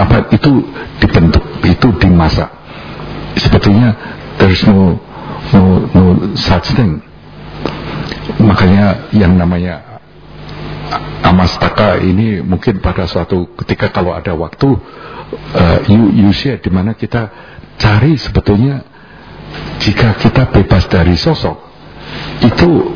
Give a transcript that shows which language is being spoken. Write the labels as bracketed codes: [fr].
[id] Itu dibentuk, itu dimasak. [en] Sebetulnya there's no such thing. [id] Makanya yang namanya Amastaka ini mungkin pada suatu ketika kalau ada waktu [en] you share, [id] di mana kita cari sebetulnya jika kita bebas dari sosok itu,